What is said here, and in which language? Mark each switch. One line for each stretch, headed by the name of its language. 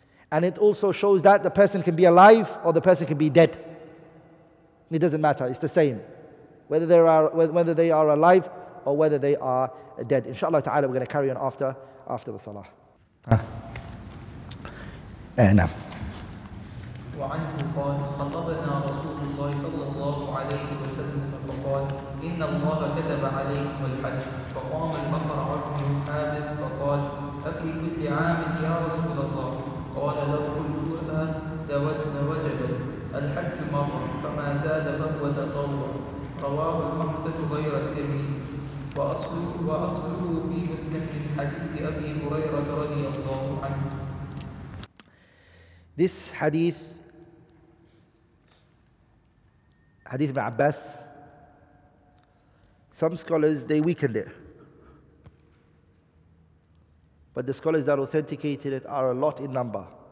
English: And it also shows that the person can be alive or the person can be dead. It doesn't matter, it's the same. Whether they are alive or whether they are dead. Inshallah ta'ala, we're going to carry on after the salah.
Arabic: نعم. وعنه قال خطبنا رسول الله صلى الله عليه وسلم فقال إن الله كتب عليكم الحج فقام البقر عبد حابس فقال أفي كل عام يا رسول الله قال لو كلها دودن وجبت الحج مرة فما زاد فهو تطوع رواه الخمسة غير الترمذي وأصله في مسلم من حديث أبي هريرة رضي الله عنه.
English: This hadith, hadith of Abbas, some scholars, they weakened it. But the scholars that authenticated it are a lot in number.